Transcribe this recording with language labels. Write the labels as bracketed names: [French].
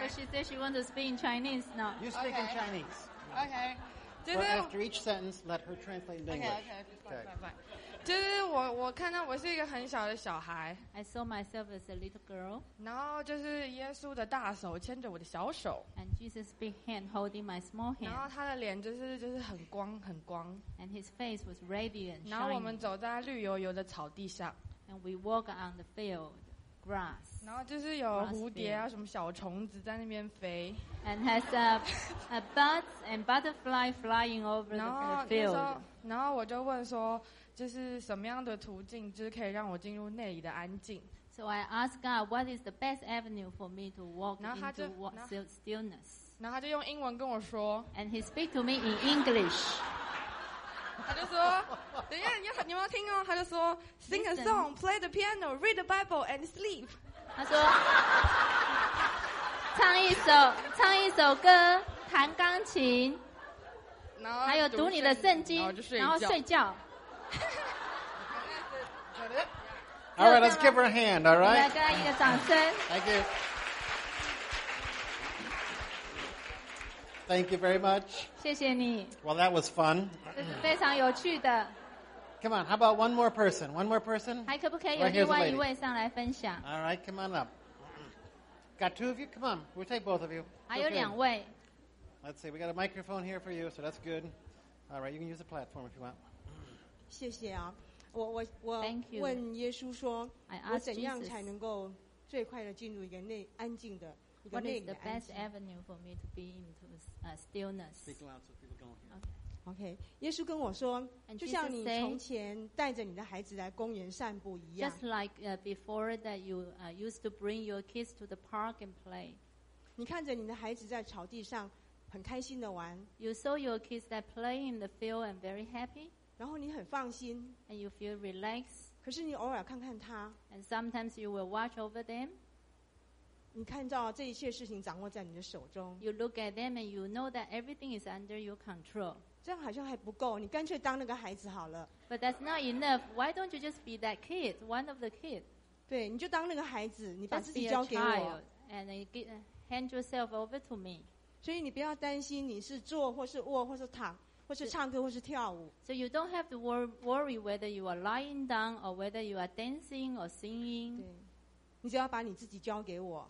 [English] But she said she wanted to speak in Chinese now. You speak in Chinese. Okay. But after each sentence, let her translate in English. Okay. [Chinese] 就是我看到我是一个很小的小孩。 [English] I saw myself as a little girl. [Chinese] 然后就是耶稣的大手牵着我的小手。 [English] And Jesus' big hand holding my small hand. [Chinese] 然后他的脸就是很光很光。 [English] And his face was radiant. [Chinese] 然后我们走在绿油油的草地上。 [English] And we walk on the field grass. [Chinese] 然后就是有蝴蝶啊什么小虫子在那边飞。 [English] And has a bird and butterfly flying over the field. [Chinese] 然后我就问说。就是什么样的途径，就是可以让我进入内里的安静。 [English] So I asked God, what is the best avenue for me to walk into stillness? [Chinese] 然后他就用英文跟我说。 [English] And he speak to me in English. [Chinese] 他就说，等一下，你要听哦。他就说 [English] ，sing a song, play the piano, read the Bible, and sleep. [Chinese] 他说，唱一首歌，弹钢琴，然后还有读你的圣经，然后睡觉。 [English] All right, let's give her a hand, all right? Thank you. Thank you very much. [Chinese] 谢谢你。 [English] Well, that was fun. [Chinese] 这是非常有趣的。 [English] Come on, how about one more person? One more person? [Chinese] 还可不可以有另外一位上来分享？ [English] All right, come on up. Got two of you? Come on, we'll take both of you. [Chinese] 还有两位。 [English] Let's see, we got a microphone here for you, so that's good. All right, you can use the platform if you want. [Chinese] 谢谢啊。我问耶稣说，我怎样才能够最快的进入一个内安静的一个内里安静 [English] ？What is the best avenue for me to be into stillness? Speak loud so people can Okay. [Chinese] 耶稣跟我说，就像你从前带着你的孩子来公园散步一样。 [English] Just like before that you used to bring your kids to the park and play. [Chinese] 你看着你的孩子在草地上很开心的玩。 [English] You saw your kids that play in the field and very happy. [Chinese] 然后你很放心 [English] ，and you feel relaxed。 [Chinese] 可是你偶尔看看他 [English] ，and sometimes you will watch over them。 [Chinese] 你看到这一切事情掌握在你的手中 [English] ，you look at them and you know that everything is under your control。 [Chinese] 这样好像还不够，你干脆当那个孩子好了。 [English] But that's not enough. Why don't you just be that kid, one of the kids? [Chinese] 对，你就当那个孩子，你把自己交给我。 [English] And hand yourself over to me. [Chinese] 所以你不要担心你是坐或是卧或是躺或是唱歌或是跳舞。 [English] So you don't have to worry whether you are lying down or whether you are dancing or singing. [Chinese] 对，你只要把你自己交给我。